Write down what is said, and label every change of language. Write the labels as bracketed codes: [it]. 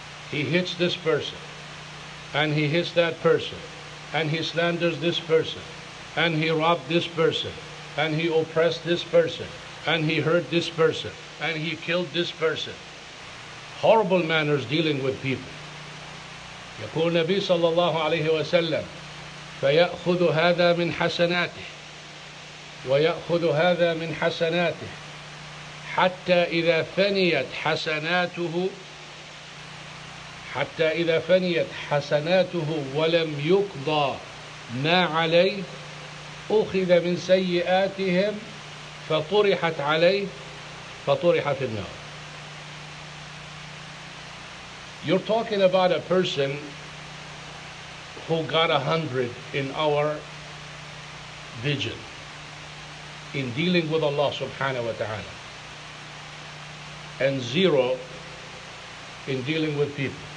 [en] He hits this person, and he hits that person, and he slanders this person, and he robbed this person, and he oppressed this person, and he hurt this person, and he killed this person. Horrible manners dealing with people. [ar] يقول النبي صلى الله عليه وسلم فيأخذ هذا من حسناته ويأخذ هذا من حسناته حتى إذا فنيت حسناته حتى إذا فنيت حسناته ولم يقضى ما عليه أخذ من سيئاتهم فطرحت عليه فطرح في النار. [en] You're talking about a person who got 100 in our vision in dealing with Allah subhanahu wa ta'ala and 0 in dealing with people.